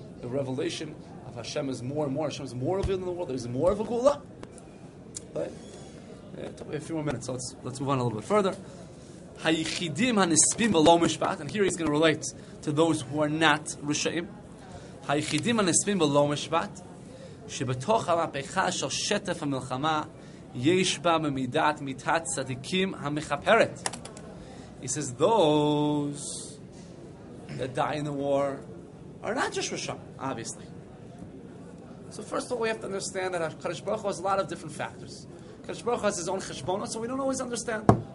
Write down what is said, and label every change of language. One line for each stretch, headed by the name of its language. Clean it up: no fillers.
English: The revelation of Hashem is more and more. Hashem is more revealed in the world. There is more of a Gula. But yeah, it took me a few more minutes, so let's move on a little bit further. Hayichidim HaNispim V'lo Mishpat. And here he's going to relate to those who are not Rishaim.
Hebrew: Hayichidim HaNispim V'lo Mishpat. שבתוך המהפכה של שטף המלחמה יש בה ממידת מיתת צדיקים המחפרת.
English: He says, those that die in the war are not just Rishon, obviously. So first of all, we have to understand that HaKadosh Baruch Hu has a lot of different factors. HaKadosh Baruch Hu has his own cheshbonot, so we don't always understand.